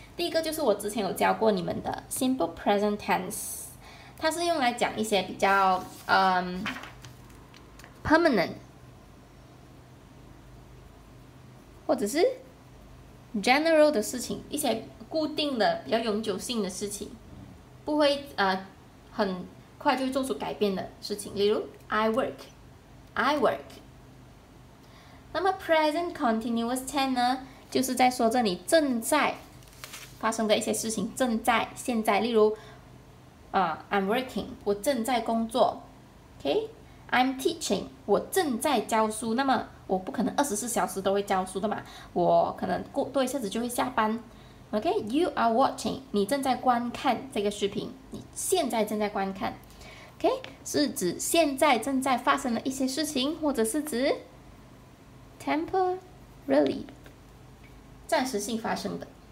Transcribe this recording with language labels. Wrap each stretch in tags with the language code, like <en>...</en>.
<zh>第一个就是我之前有教过你们的 simple present tense， 它是用来讲一些比较permanent 或者是 general 的事情，一些固定的比较永久性的事情，不会很快就做出改变的事情。例如</zh> <en>I work。</en> <zh>那么 present continuous tense 呢就是在说这里正在发生的一些事情，正在现在，例如</zh> <en>I'm working，</en> <zh>我正在工作。 OK，</zh> <en>I'm teaching，</en> <zh>我正在教书。那么我不可能24小时都会教书的嘛，我可能多一下子就会下班。 OK，</zh> <en>you are watching，</en> <zh>你正在观看这个视频，你现在正在观看。 OK， 是指现在正在发生的一些事情，或者是指 temporarily 暂时性发生的。</zh>